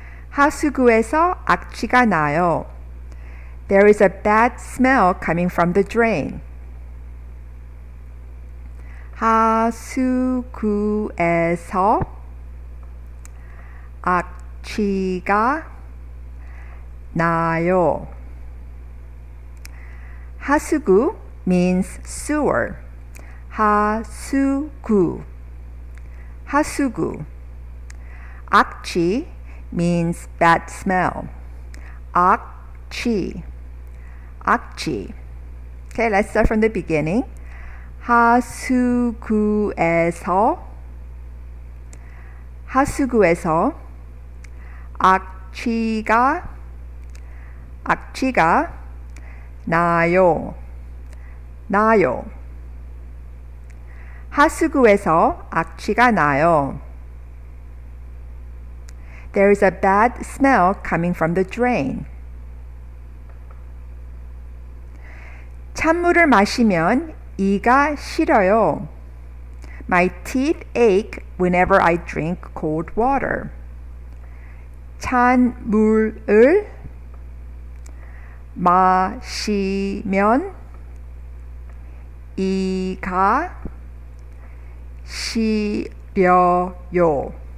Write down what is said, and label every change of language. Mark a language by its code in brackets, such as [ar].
[ko] 하수구에서 악취가 나요. [en] There is a bad smell coming from the drain. [ko] 하수구에서 악취가 나요. 하수구 [en] means sewer. [ko] 하수구. 하수구. 악취 [en] means bad smell. [ko] 악취. 악취. [en] Okay, let's start from the beginning. [ko] 하수구에서 하수구에서 악취가 악취가 나요. 나요. 하수구에서 악취가 나요. [en] There is a bad smell coming from the drain. [ko] 찬물을 마시면 이가 시려요. [en] My teeth ache whenever I drink cold water. [ko] 찬물을 마시면 이가 시려요.